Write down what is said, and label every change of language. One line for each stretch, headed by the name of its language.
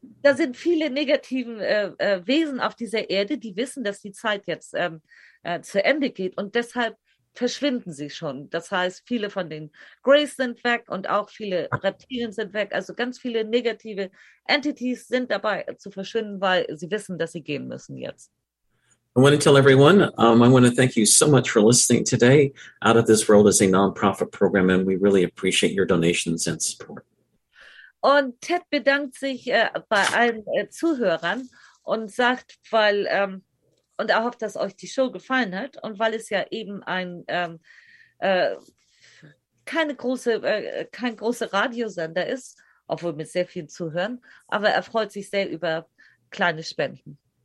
German: Da sind viele negativen Wesen auf dieser Erde, die wissen, dass die Zeit jetzt zu Ende geht. Und deshalb verschwinden sie schon. Das heißt, viele von den Greys sind weg und auch viele Reptilien sind weg. Also ganz viele negative Entities sind dabei zu verschwinden, weil sie wissen, dass sie gehen müssen jetzt.
English: I want to tell everyone, I want to thank you so much for listening today. Out of This World is a non-profit program and we really appreciate your donations and support.
German: Und Ted bedankt sich bei allen Zuhörern und sagt, weil und er hofft, dass euch die Show gefallen hat. Und weil es ja eben kein großer Radiosender ist, obwohl mit sehr vielen Zuhören, aber er freut sich sehr über kleine Spenden.